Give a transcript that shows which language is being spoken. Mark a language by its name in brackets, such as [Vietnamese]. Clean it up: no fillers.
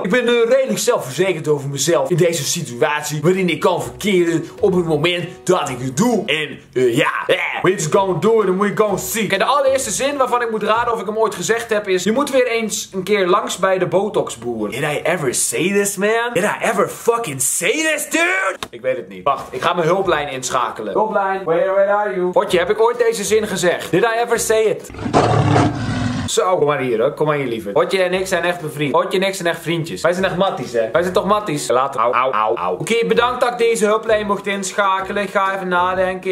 [Dutch] Ik ben redelijk zelfverzekerd over mezelf. In deze situatie waarin ik kan verkeren op het moment dat ik het doe. En ja, [English] we're just gonna do it and we're gonna see. [Dutch] Kijk, de allereerste zin waarvan ik moet raden of ik hem ooit gezegd heb is... Je moet weer eens een keer langs bij de botoxboer. [English] Did I ever say this, man? Did I ever fucking say this, dude? [Dutch] Ik weet het niet. Wacht, ik ga mijn hulplijn inschakelen. [English] Hulplijn, where are you? [Dutch] Fortje, heb ik ooit deze zin gezegd? [English] Did I ever say it? [Dutch] Zo, kom maar hier hoor, kom maar hier lieverd. Otje en ik zijn echt bevriend. Otje en ik zijn echt vriendjes. Wij zijn echt matties, hè. Wij zijn toch matties? Later. Au. Oké, bedankt dat ik deze hulplijn mocht inschakelen. Ik ga even nadenken.